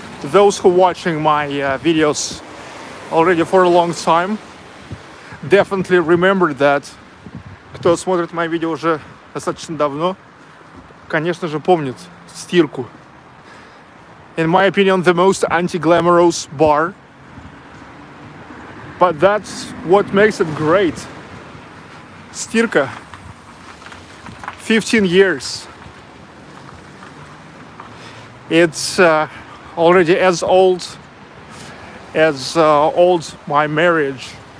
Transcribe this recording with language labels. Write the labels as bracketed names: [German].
[English] Those who are watching my videos already for a long time definitely remember that. [Russian] Кто смотрит мои видео уже достаточно давно, конечно же, помнит стирку. [English] In my opinion, the most anti-glamorous bar. But that's what makes it great. Stirka. 15 years. It's already as old as old my marriage.